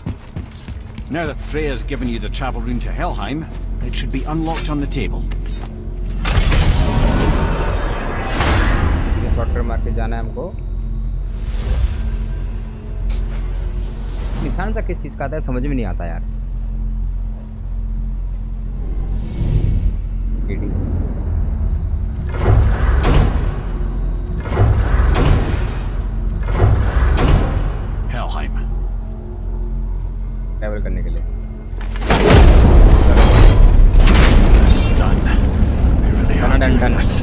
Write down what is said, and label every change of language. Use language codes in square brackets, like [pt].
[hi] मारेगा [en] Freya's given you the travel room to Helheim, it should be unlocked on the table. [hi] ये shortcut मार के जाना है हमको निशान तक किस चीज़ का आता है समझ में नहीं आता यार [en] Helheim. [hi] Travel करने के लिए. [en] Done. They really are done.